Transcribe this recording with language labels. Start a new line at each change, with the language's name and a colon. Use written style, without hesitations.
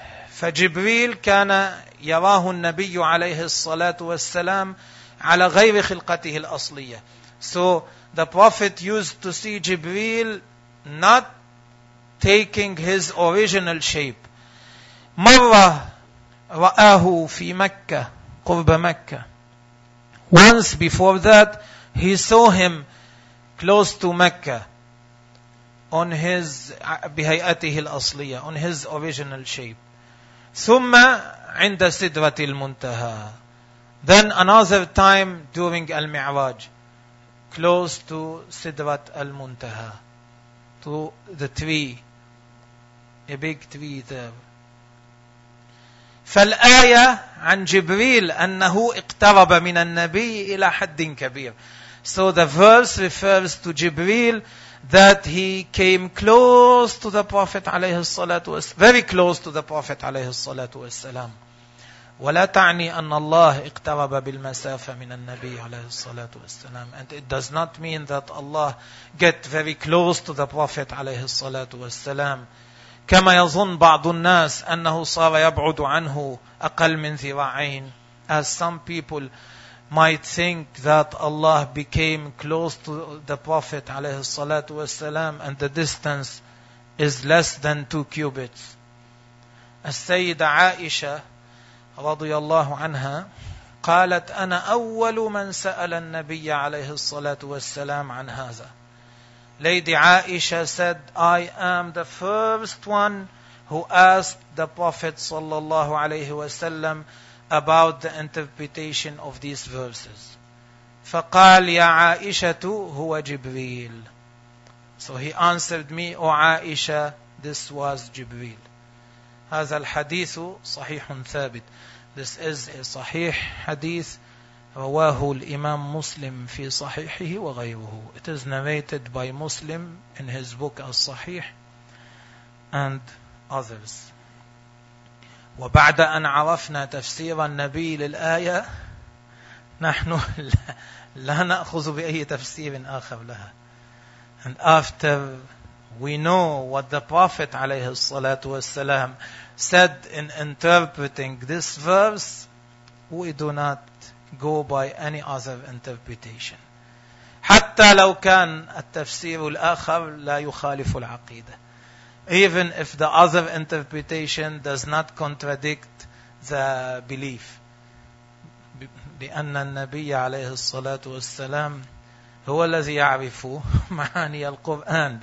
Arabic: فجبريل كان يراه النبي عليه الصلاة والسلام على غير خلقته الأصلية.
English: So the Prophet used to see جبريل not taking his original shape.
Arabic: مرة رآه في مكة, قرب مكة.
English: Once before that he saw him close to Mecca on his
Arabic: بهيئته الأصلية,
English: on his original shape.
Arabic: ثم عند سدرة المنتهى.
English: Then another time during المعراج, close to سدرة المنتهى, to the tree, a big tree there.
Arabic: فالآية عن جبريل أنه اقترب من النبي إلى حد كبير.
English: So the verse refers to جبريل that he came close to the Prophet
Arabic: عليه الصلاة والسلام,
English: very close to the Prophet عليه الصلاة والسلام.
Arabic: ولا تعني أن الله اقترب بالمسافة من النبي عليه الصلاة والسلام.
English: And it does not mean that Allah get very close to the Prophet
Arabic: عليه الصلاة والسلام. كما يظن بعض الناس أنه صار يبعد عنه أقل من ذراعين.
English: As some people might think that Allah became close to the Prophet
Arabic: عليه الصلاة والسلام
English: and the distance is less than 2 cubits.
Arabic: السيدة عائشة رضي الله عنها قالت أنا أول من سأل النبي عليه الصلاة والسلام عن هذا.
English: Lady Aisha said, I am the first one who asked the Prophet
Arabic: sallallahu alayhi wa sallam
English: about the interpretation of these verses.
Arabic: فقال يا عائشة هو جبريل.
English: So he answered me, O Aisha, this was Jibreel.
Arabic: هذا الحديث صحيح ثابت.
English: This is a صحيح حديث.
Arabic: رواه الإمام مسلم في صحيحه وغيره.
English: It is narrated by Muslim in his book الصحيح and others.
Arabic: وبعد أن عرفنا تفسير النبي للآية نحن لا نأخذ بأي تفسير آخر لها.
English: And after we know what the Prophet
Arabic: عليه الصلاة والسلام
English: said in interpreting this verse, we do not go by any other interpretation.
Arabic: حتى لو كان التفسير الآخر لا يخالف العقيدة.
English: Even if the other interpretation does not contradict the belief.
Arabic: لأن النبي عليه الصلاة والسلام هو الذي يعرف معاني القرآن.